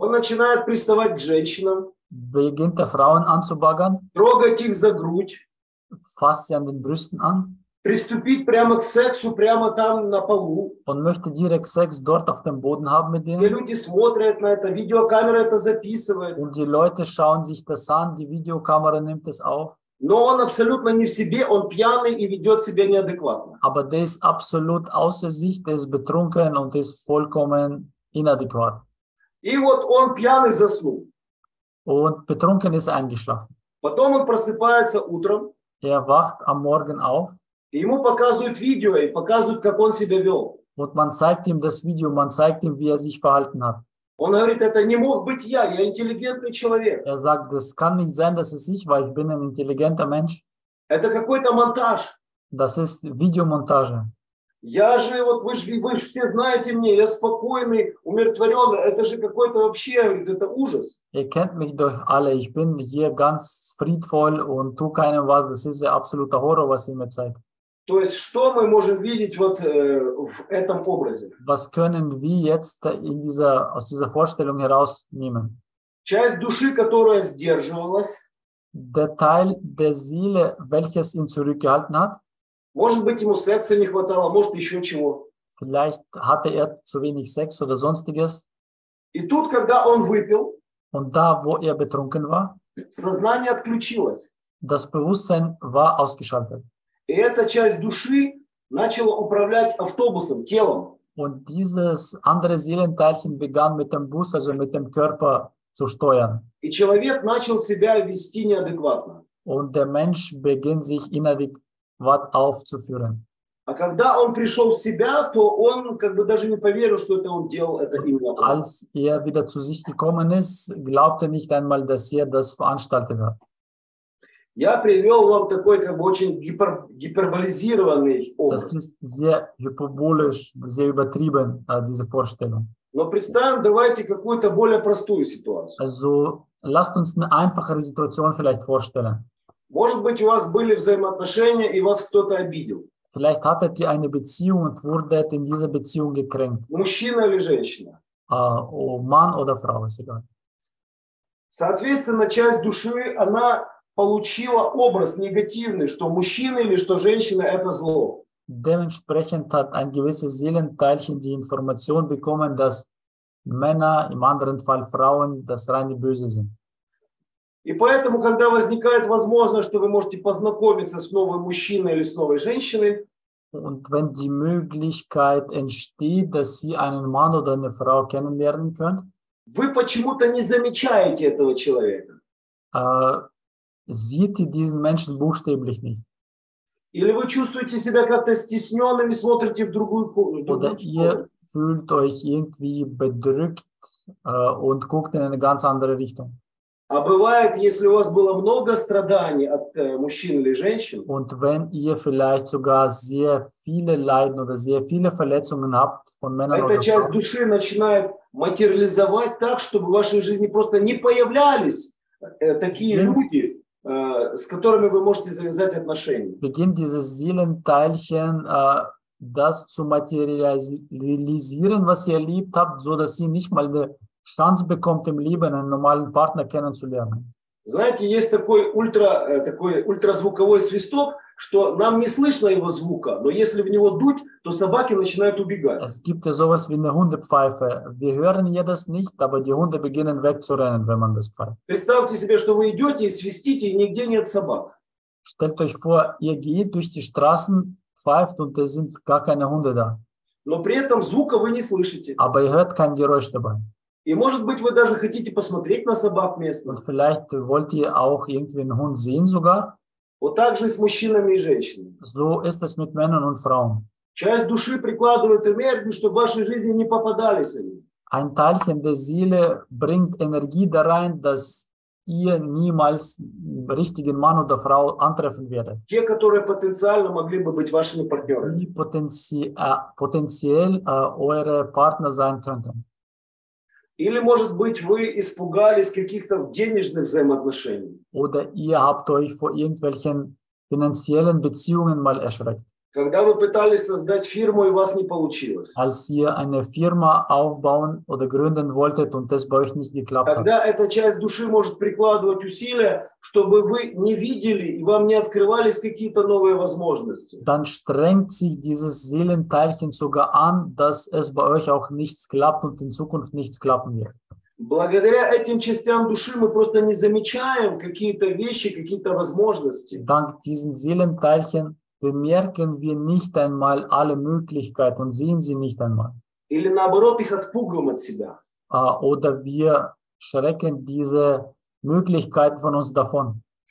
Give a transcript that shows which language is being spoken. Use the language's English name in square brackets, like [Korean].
[Russian] он начинает приставать к женщинам, [German] beginnt er Frauen anzubaggern, [Russian] трогать их за грудь, [German] fasst sie an den Brüsten an, [Russian] приступить прямо к сексу, прямо там на полу. Он [German] möchte direkt Sex dort auf dem Boden haben mit denen. Die [Russian] люди смотрят на это, видеокамера это записывает. [German] Und die Leute schauen sich das an, die Videokamera nimmt es auf. [Russian] Но он абсолютно не в себе, он пьяный и ведет себя неадекватно. [German] Aber der ist absolut außer sich, der ist betrunken und ist vollkommen inadäquat. [Russian] И вот он пьяный заснул. [German] Und betrunken ist eingeschlafen. [Russian] Потом он просыпается утром. [German] Er wacht am Morgen auf. [Russian] И ему показывают видео, и показывают, как он себя вел. Вот [German] man zeigt ihm das Video, man zeigt ihm, wie er sich verhalten hat. [Russian] Он говорит, это не мог быть я, я интеллигентный человек. [German] Er sagt, das kann nicht sein, dass es ich war, ich bin ein intelligenter Mensch. [Russian] Это какой-то монтаж. [German] Das ist Videomontage. [Russian] Я же, вот вы же все знаете мне, я спокойный, умиротворенный, это же какой-то вообще, это ужас. [German] Ihr kennt mich doch alle, ich bin hier ganz friedvoll und tu keinem was, das ist ein absoluter Horror, was ihr mir zeigt. [Russian] То есть, что мы можем видеть вот в этом образе? [German] Was können wir jetzt aus dieser Vorstellung herausnehmen? [Russian] Часть души, которая сдерживалась. [German] Der Teil der Seele, welches ihn zurückgehalten hat. [Russian] Может быть, ему секса не хватало, может, еще чего. [German] Vielleicht hatte zu wenig Sex oder sonstiges. [Russian] И тут, когда он выпил, [German] und da, wo betrunken war, [Russian] сознание отключилось. [German] Das Bewusstsein war ausgeschaltet. [Russian] И эта часть души начала управлять автобусом, телом. [German] Und dieses andere Seelenteilchen begann mit dem Bus, also mit dem Körper zu steuern. [Russian] И человек начал себя вести неадекватно. [German] Und der Mensch beginnt sich inadäquat aufzuführen. [Russian] А когда он пришел в себя, то он как бы даже не поверил, что это он делал, это именно. [German] Als wieder zu sich gekommen ist, glaubte nicht einmal, dass das veranstaltet hat. [Russian] Я привел вам такой как бы очень гиперболизированный образ. [German] Das ist sehr hyperbolisch, sehr übertrieben, diese Vorstellung. [Russian] Но представим, давайте какую-то более простую ситуацию. [German] Also, lasst uns eine einfachere Situation vielleicht vorstellen. [Russian] Может быть, у вас были взаимоотношения, и вас кто-то обидел. [German] Vielleicht hattet ihr eine Beziehung und wurdet in dieser Beziehung gekränkt. [Russian] Мужчина или женщина? [German] Mann oder Frau, ist egal. [Russian] Соответственно, часть души, она получила образ негативный, что мужчина или что женщина – это зло. [German] Dementsprechend hat ein gewisses Seelenteilchen die Information bekommen, dass Männer, im anderen Fall Frauen, das reine Böse sind. [Russian] И поэтому, когда возникает возможность, что вы можете познакомиться с новым мужчиной или с новой женщиной, [German] Und wenn die Möglichkeit entsteht, dass Sie einen Mann oder eine Frau kennenlernen können, [Russian] вы почему-то не замечаете этого человека. [German] Sieht ihr diesen Menschen buchstäblich nicht? [Russian] Или вы чувствуете себя как-то стесненным и смотрите в другую комнату? [German] Oder ihr fühlt euch irgendwie bedrückt und guckt in eine ganz andere Richtung. [Russian] А бывает, если у вас было много страданий от мужчин или женщин, [German] und wenn ihr vielleicht sogar sehr viele Leiden oder sehr viele Verletzungen habt von Männern oder Frauen, [Russian] эта часть души начинает материализовать так, чтобы в вашей жизни просто не появлялись такие люди, с которыми вы можете завязать отношения. [German] Beginnt dieses Seelenteilchen das zu materialisieren, was ihr erlebt habt, so dass ihr nicht mal eine Chance bekommt im Leben einen normalen Partner kennenzulernen. [Russian] Знаете, есть такой ультразвуковой свисток, что нам не слышно его звука, но если в него дуть, то собаки начинают убегать. [German] Es gibt ja sowas wie eine Hundepfeife. Wir hören ja das nicht, aber die Hunde beginnen wegzurennen, wenn man das pfeift. [Russian] Представьте себе, что вы идете и свистите, и нигде нет собак. [German] Stellt euch vor, ihr geht durch die Straßen, pfeift und es sind gar keine Hunde da. [Russian] Но при этом звука вы не слышите. [German] Aber ihr hört kein Geräusch dabei. [Russian] И, может быть, вы даже хотите посмотреть на собак местных. [German] Und vielleicht wollt ihr auch irgendwie einen Hund sehen sogar. [Russian] Вот так же и с мужчинами и женщинами. [German] So ist es mit Männern und Frauen. [Russian] Часть души прикладывает энергию, чтобы в вашей жизни не попадались они. [German] Ein Teilchen der Seele bringt Energie da rein, dass ihr niemals richtigen Mann oder Frau antreffen werdet. [Russian] Те, которые потенциально могли бы быть вашими партнерами. [German] Die potenziell eure Partner sein könnten. [Russian] Или, может быть, вы испугались каких-то денежных взаимоотношений. [German] Oder ihr habt euch vor irgendwelchen finanziellen Beziehungen mal erschreckt. [Russian] Когда вы пытались создать фирму, и у вас не получилось. [German] Als ihr eine Firma aufbauen oder gründen wolltet und das bei euch nicht geklappt hat. [Russian] Тогда эта часть души может прикладывать усилия, чтобы вы не видели и вам не открывались какие-то новые возможности. [German] Dann strengt sich dieses Seelenteilchen sogar an, dass es bei euch auch nichts klappt und in Zukunft nichts klappen wird. [Russian] Благодаря этим частям души мы просто не замечаем какие-то вещи, какие-то возможности. [German] Dank diesen Seelenteilchen bemerken wir nicht einmal alle Möglichkeiten und sehen sie nicht einmal. [Russian] Или наоборот, их отпугиваем от себя. [German] Oder wir schrecken diese Möglichkeiten von uns davon.